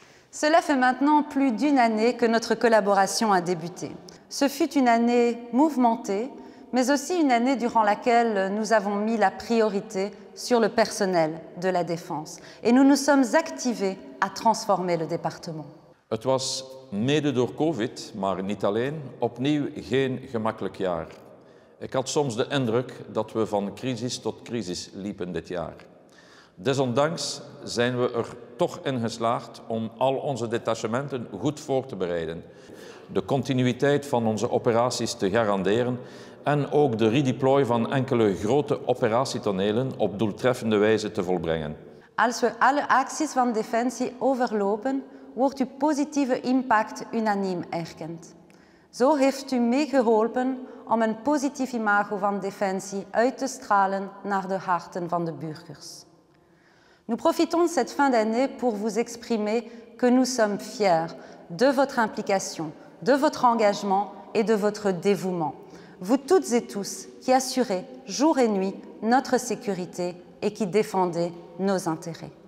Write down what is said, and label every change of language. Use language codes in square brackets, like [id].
[fr] Cela fait maintenant plus d'une année que notre collaboration a débuté. Ce fut une année mouvementée, mais aussi une année durant laquelle nous avons mis la priorité sur le personnel de la Défense. Et nous nous sommes activés à transformer le département. [nl] Het was mede door COVID, maar niet alleen, opnieuw geen gemakkelijk jaar. Ik had soms de indruk dat we van crisis tot crisis liepen dit jaar. Desondanks zijn we er toch in geslaagd om al onze detachementen goed voor te bereiden, de continuïteit van onze operaties te garanderen en ook de redeploy van enkele grote operatietonelen op doeltreffende wijze te volbrengen. Als we alle acties van Defensie overlopen, wordt uw positieve impact unaniem erkend. Zo heeft u meegeholpen om een positief imago van Defensie uit te stralen naar de harten van de burgers. [fr] Nous profitons de cette fin d'année pour vous exprimer que nous sommes fiers de votre implication, de votre engagement et de votre dévouement. Vous toutes et tous qui assurez jour et nuit notre sécurité et qui défendez nos intérêts.